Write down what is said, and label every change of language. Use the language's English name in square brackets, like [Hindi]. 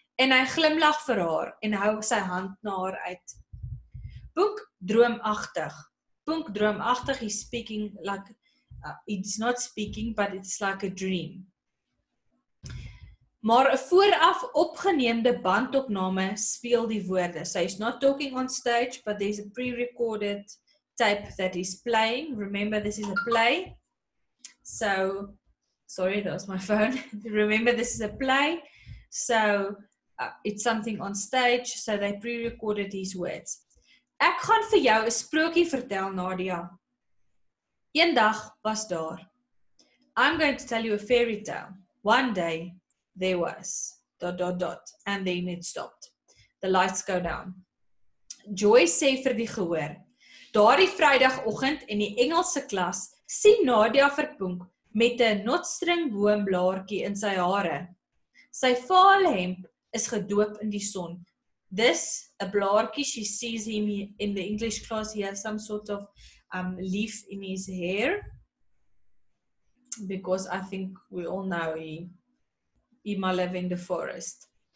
[Afrikaans] En hy glimlag vir haar en hou sy hand na haar uit. Punk droomagtig. Punk droomagtig, [English] he's speaking like, he's not speaking, but it's like a dream. [Afrikaans] Maar 'n vooraf opgeneemde bandopname speel die woorde. [English] So he's not talking on stage, but there's a pre-recorded tape that he's playing. Remember, this is a play. So, sorry, that was my phone. Remember, this is a play. So, it's something on stage, so they pre-recorded his words. [Afrikaans] Ek gaan vir jou 'n sprookie vertel, Nadia. Eendag was daar. [English] I'm going to tell you a fairy tale. One day, there was. ... And then it stopped. The lights go down. [Afrikaans] Joy sê vir die gehoor. Daardie Vrydagoggend in die Engelse klas sien Nadia vir Punk met 'n notstringboomblaartjie in sy hare. Sy vaal hemp is gedoop in die son. [English] This, a blaartjie, she sees him in the English class. He has some sort of leaf in his hair. Because I think we all know he might live in the forest.